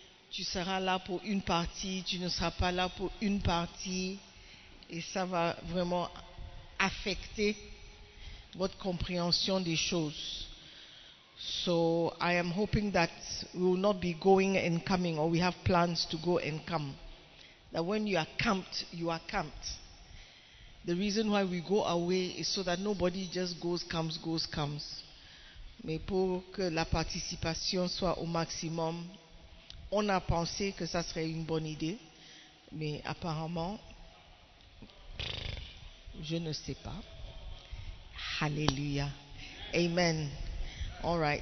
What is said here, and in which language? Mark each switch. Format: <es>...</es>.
<fr>Tu seras là pour une partie, tu ne seras pas là pour une partie. Et ça va vraiment affecter votre compréhension des choses.</fr> <en>So I am hoping that we will not be going and coming, or we have plans to go and come. That when you are camped, you are camped. The reason why we go away is so that nobody just goes, comes.</en> <fr>Mais pour que la participation soit au maximum, on a pensé que ça serait une bonne idée, mais apparemment, je ne sais pas.</fr> <en>Hallelujah. Amen. All right.</en>